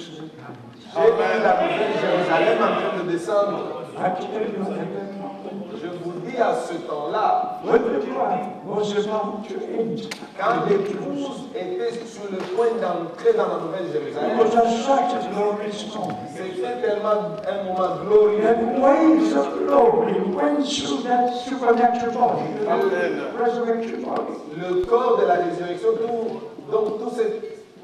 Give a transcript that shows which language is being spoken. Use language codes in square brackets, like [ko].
[fr] J'ai vu la nouvelle Jérusalem en train de descendre. [en] I tell you that. [fr] Je vous dis à ce temps-là. [en] When the bride was about to enter. [fr] Quand l'épouse était sur le point d'entrer dans la nouvelle Jérusalem. [en] It was such a glorious moment. [fr] C'était tellement un moment glorieux. [en] And waves of glory went through that supernatural body. The resurrection body. [fr] Le corps de la résurrection, tout, donc tout cet...